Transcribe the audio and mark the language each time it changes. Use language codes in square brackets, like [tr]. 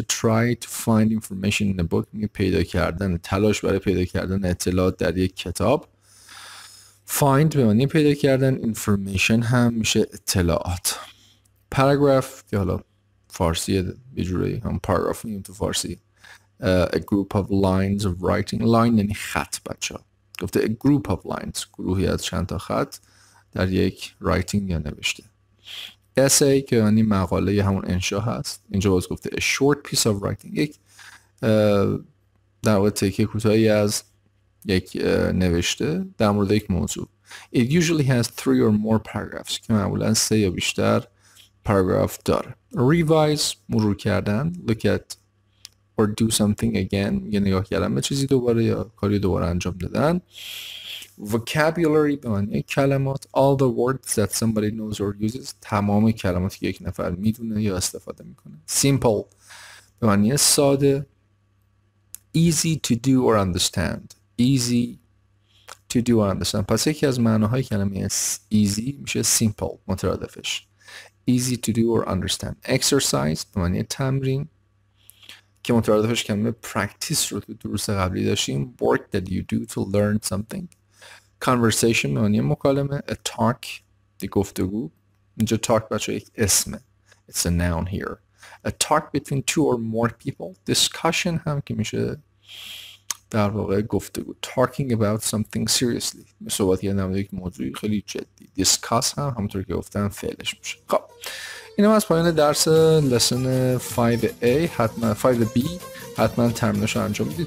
[en] Try to find information in a book، [fa] پیدا کردن، تلاش برای پیدا کردن اطلاعات در یک کتاب. Find به معنی پیدا کردن، information هم میشه اطلاعات. Paragraph که حالا فارسی یه جوری هم paragraph میگیم تو فارسی. [en] A group of lines of writing، line [fa] یعنی خط بچه ها. گفته [en] a group of lines، [fa] گروهی از چند تا خط در یک writing یا نوشته. Essay که یعنی مقاله یا همون انشا هست. اینجا باز گفته [en] a short piece of writing، [fa] یک در واقع تکه کوتاهی از یک نوشته در مورد یک موضوع. [en] It usually has three or more paragraphs، [fa] که معمولا سه یا بیشتر paragraph داره. Revise، مرور کردن. [en] Look at or do something again، [fa] یه نگاه کردن به چیزی دوباره یا کاری دوباره انجام دادن. Vocabulary به معنی کلمات. [en] All the words that somebody knows or uses، [fa] تمام کلماتی که یک نفر میدونه یا استفاده میکنه. Simple به معنی ساده. [en] Easy to do or understand، easy to do or understand. [fa] پس یکی از معناهای کلمه easy میشه simple، مترادفش. [en] Easy to do or understand. [fa] Exercise به معنی تمرین، که مترادفش کلمه practice رو تو دروس قبلی داشتیم. [en] Work that you do to learn something. [fa] Conversation به معنی مکالمه. [en] A talk، [fa] دی گفتگو. اینجا talk بچه یک اسمه، [en] it's a noun here. A talk between two or more people. [fa] Discussion هم که میشه در واقع گفتگو. [en] Talking about something seriously، [fa] صحبت یه نمیده یک موضوعی خیلی جدی. Discuss هم همونطور که گفتم فعلش میشه. خب اینم از پایان درس لسن 5A. حتما 5B حتما ترمینش رو انجام بدید.